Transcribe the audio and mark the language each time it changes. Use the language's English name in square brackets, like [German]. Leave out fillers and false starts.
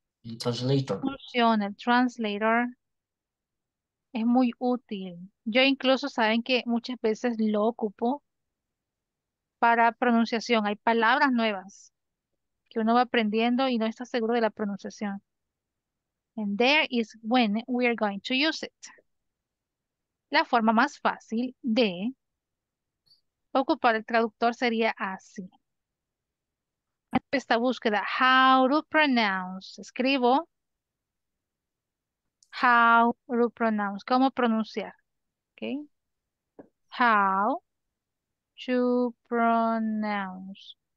[Spanish] el translator. Funciona el translator. Es muy útil. Yo incluso saben que muchas veces lo ocupo para pronunciación. Hay palabras nuevas que uno va aprendiendo y no está seguro de la pronunciación. [English] And there is when we are going to use it. [Spanish] La forma más fácil de ocupar el traductor sería así. Esta búsqueda, [English] how to pronounce, [Spanish] escribo, how to pronounce, cómo pronunciar, okay, how to pronounce,